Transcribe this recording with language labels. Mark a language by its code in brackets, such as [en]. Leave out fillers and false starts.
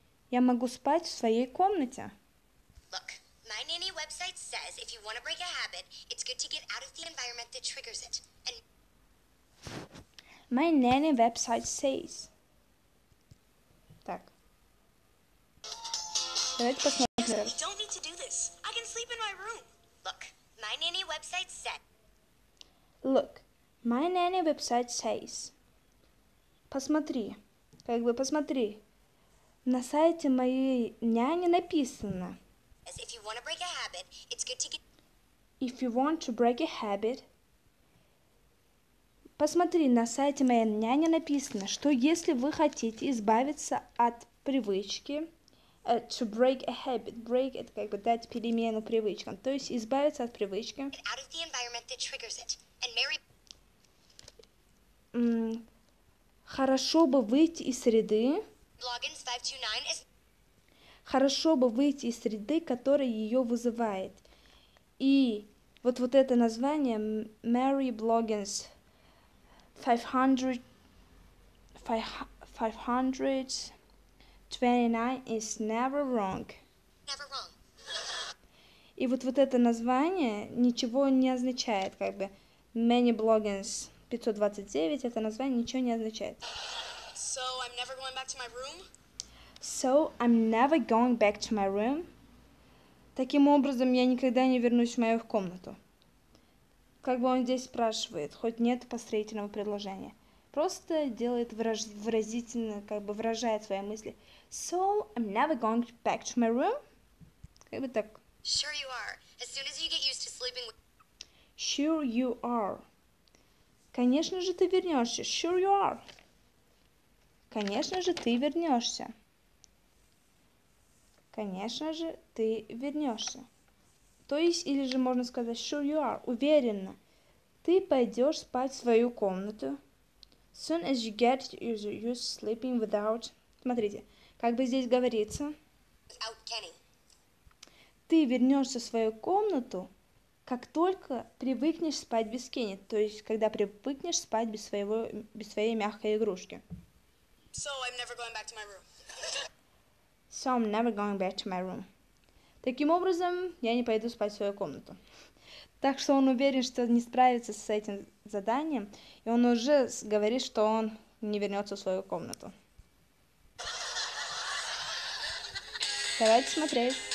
[ru] Я могу спать в своей комнате. [en] Look, my nanny website says if you want to break a habit, it's good to get out of the environment that triggers it. And my nanny website says. Так. [ru] Давайте посмотрим. [en] I don't need to do this. I can sleep in my room. Look, my nanny website said. Look, my nanny website says. [ru] Посмотри. Как бы посмотри. На сайте моей няни написано. [en] If you want to break a habit, it's good to get. If you want to break a habit. [ru] Посмотри, на сайте моей няни написано, что если вы хотите избавиться от привычки, [en] to break a habit, break it, [ru] как бы дать перемену привычкам, то есть избавиться от привычки. [en] Get out of the environment that triggers it. And Mary. [ru] Хорошо бы выйти из среды. [en] Logins 529 is. [ru] Хорошо бы выйти из среды, которая ее вызывает. И вот, вот это название Mary Bloggins 529 [en] is never wrong. Never wrong. [ru] И вот, вот это название ничего не означает, как бы Many Bloggins 529, это название ничего не означает. [en] So I'm never going back to my room? So I'm never going back to my room. [ru] Таким образом, я никогда не вернусь в мою комнату. Как бы он здесь спрашивает, хоть нет построительного предложения. Просто делает выразительно, как бы выражает свои мысли. [en] So I'm never going back to my room. [ru] Как бы так. [en] Sure you are. As soon as you get used to sleeping with. Sure you are. [ru] Конечно же, ты вернешься. [en] Sure you are. [ru] Конечно же, ты вернешься. Конечно же, ты вернешься. То есть, или же можно сказать, [en] sure you are, [ru] уверенно. Ты пойдешь спать в свою комнату. [en] Soon as you get used to sleeping without. [ru] Смотрите, как бы здесь говорится. [en] Without Kenny. [ru] Ты вернешься в свою комнату, как только привыкнешь спать без Кенни. То есть, когда привыкнешь спать без своего, без своей мягкой игрушки. [en] So I'm never going back to my room. So I'm never going back to my room. [ru] Таким образом, я не пойду спать в свою комнату. Так что он уверен, что не справится с этим заданием, и он уже говорит, что он не вернется в свою комнату. Давайте смотреть.